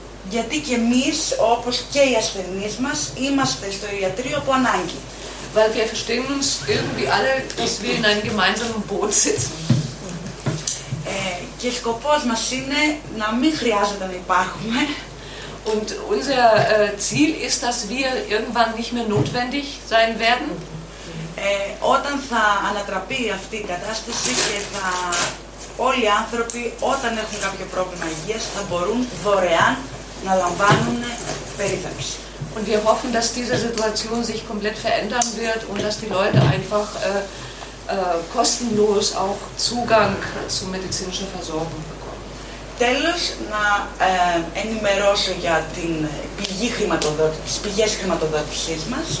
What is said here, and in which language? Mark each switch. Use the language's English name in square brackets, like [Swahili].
[Greek] Γιατί και εμείς, όπως και οι ασθενείς μας, είμαστε στο ιατρείο από ανάγκη. [German] Weil wir verstehen uns irgendwie alle, dass wir in einem gemeinsamen Boot sitzen. [Greek] Και σκοπός μας είναι να μην χρειάζεται να υπάρχουμε. [German] Und unser Ziel ist, dass wir irgendwann nicht mehr notwendig sein werden. [Greek] Όταν θα ανατραπεί αυτή η κατάσταση και θα όλοι οι άνθρωποι, όταν έχουν κάποιο πρόβλημα υγείας, θα μπορούν δωρεάν να λαμβάνουν περίθαλψη. [German] Und wir hoffen, dass diese Situation sich komplett verändern wird und dass die Leute einfach kostenlos auch Zugang zu medizinischer Versorgung bekommen. [Greek] Τέλος, να ενημερώσω για την πηγή χρηματοδότησης, πηγές χρηματοδότησής μας.